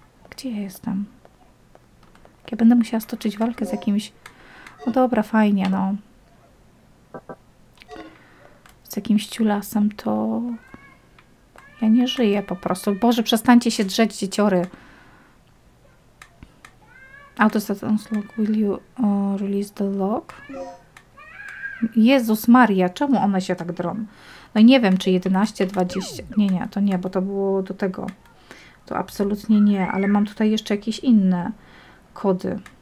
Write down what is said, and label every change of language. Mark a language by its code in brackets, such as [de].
[pl] Gdzie ja jestem? Jak ja będę musiała stoczyć walkę z jakimś... No dobra, fajnie, no. Z jakimś ciulasem, to... Ja nie żyję po prostu. Boże, przestańcie się drzeć, dzieciory. [en] Autostat unlock. Will you release the lock? [pl] Jezus Maria, czemu one się tak drą? No i nie wiem, czy 11, 20... Nie, nie, to nie, bo to było do tego. To absolutnie nie, ale mam tutaj jeszcze jakieś inne kody.